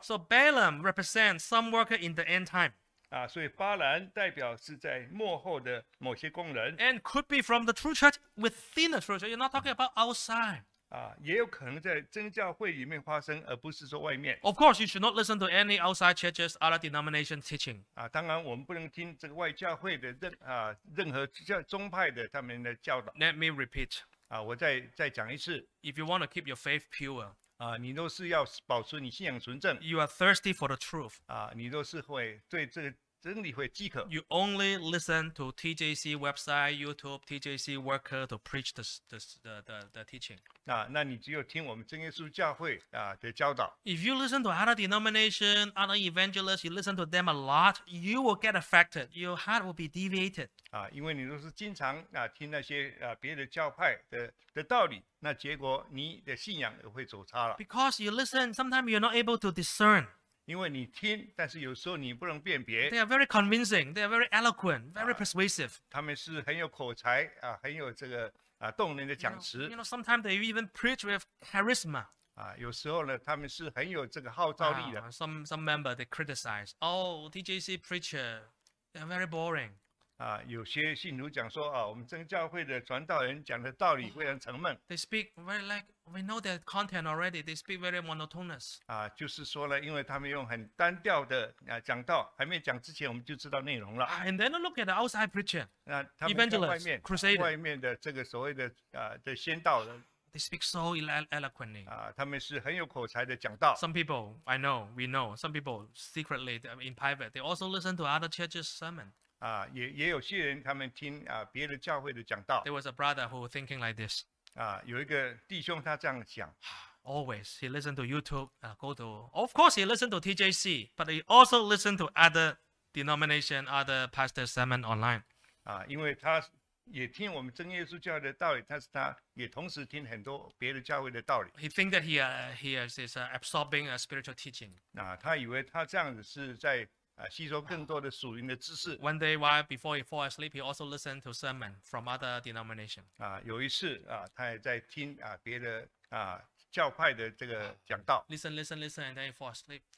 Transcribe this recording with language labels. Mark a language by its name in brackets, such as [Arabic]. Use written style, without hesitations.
[English] So Balaam represents some worker in the end time. [Chinese] 啊，所以巴兰代表是在幕后的某些工人 [English] ，and could be from the true church within the true church. You're not talking about outside. [Chinese] 啊，也有可能在真教会里面发生，而不是说外面。 [English] Of course, you should not listen to any outside churches, other denomination teaching. [Chinese] 啊，当然我们不能听这个外教会的任何教宗派的他们的教导。 [English] Let me repeat. [Chinese] 啊，我再讲一次。 [English] If you want to keep your faith pure. [Chinese] 啊，你都是要保持你信仰纯正。 [English] You are thirsty for the truth. [Chinese] 啊，你都是会对这个真理会饥渴。 [English] You only listen to TJC website, YouTube, TJC worker to preach the teaching. [Chinese] 啊，那你只有听我们真耶稣教会啊的教导。 [English] If you listen to other denomination, other evangelists, you listen to them a lot, you will get affected. Your heart will be deviated. [Chinese] 啊，因为你都是经常啊听那些啊别的教派的道理。那结果你的信仰也会走差了。 [English] Because you listen, sometimes you're not able to discern. [Chinese] 因为你听，但是有时候你不能辨别。 [English] They are very convincing. They are very eloquent, very persuasive. [Chinese] 他们是很有口才啊，很有这个啊动人的讲词。 [English] You know, sometimes they even preach with charisma. [Chinese] 啊，有时候呢，他们是很有这个号召力的。 [English] Some member they criticize. Oh, TJC preacher, they are very boring. [Chinese] 啊，有些信徒讲说啊，我们真教会的传道人讲的道理非常沉闷。 [English] They speak very like we know their content already. They speak very monotonous. [Chinese] 啊，就是说呢，因为他们用很单调的啊讲道，还没讲之前我们就知道内容了。 [English] And then look at the outside preacher. [Chinese] 那他们在外面 crusader, 外面的这个所谓的啊的先道的。 [English] They speak so eloquently. [Chinese] 啊，他们是很有口才的讲道。 [English] Some people I know, we know. Some people secretly in private, they also listen to other churches' sermon. [Chinese] 啊、也有些人他们听、啊、别的教会的讲道。 [English] There was a brother who was thinking like this.、 [Chinese] 啊、有一个弟兄他这样想。 [English] Always, he listened to YouTube,、go to, of course he listened to TJC, but he also listened to other denomination, other pastor sermon online.、 [Chinese] 啊、因为他也听我们真耶稣教会的道理，但是他也同时听很多别的教会的道理。 [English] He think that he is absorbing a spiritual teaching.、 [Chinese] 啊、他以为他这样子是在吸收更多的属灵的知识。 [English] One day while before he fall asleep, he also listened to sermon from other denomination. [Chinese] 啊，有一次啊，他也在听啊别的啊教派的这个讲道。 [English] Listen, and then he fall asleep.